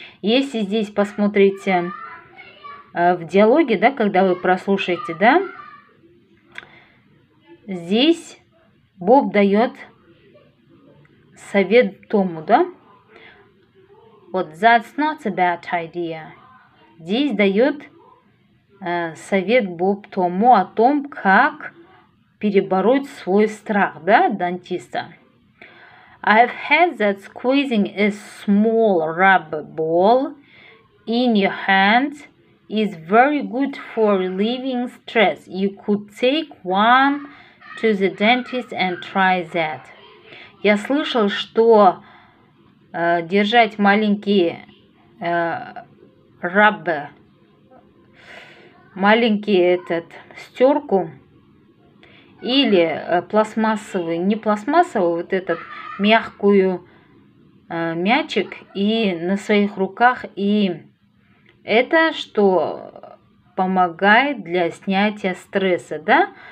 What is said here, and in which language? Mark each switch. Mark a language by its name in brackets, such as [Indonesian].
[Russian] Если здесь посмотрите в диалоге, да, когда вы прослушаете, да, здесь Боб дает совет Тому, да? [English] Вот, that's not a bad idea. [Russian] Здесь дает совет Боб Тому о том, как перебороть свой страх, да, дантиста. [English] I've heard that squeezing a small rubber ball in your hand is very good for relieving stress. You could take one to the dentist and try that. [Russian] Я слышал, что держать маленькие раббы, маленькие этот стерку или пластмассовый, не пластмассовый, вот этот мягкую мячик и на своих руках, и это что помогает для снятия стресса, да?